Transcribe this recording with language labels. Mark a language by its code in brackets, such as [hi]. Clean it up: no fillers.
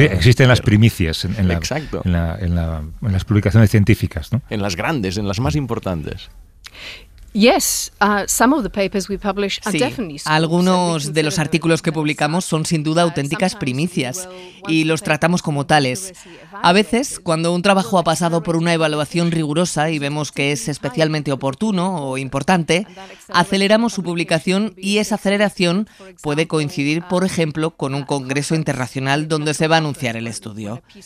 [es] Existen las primicias en las publicaciones científicas, ¿no? En las grandes, en las más importantes. [en] Yes, some of the papers we publish are definitely. [es] Sí, algunos de los artículos que publicamos son sin duda auténticas primicias y los tratamos como tales. A veces, cuando un trabajo ha pasado por una evaluación rigurosa y vemos que es especialmente oportuno o importante, aceleramos su publicación y esa aceleración puede coincidir, por ejemplo, con un congreso internacional donde se va a anunciar el estudio.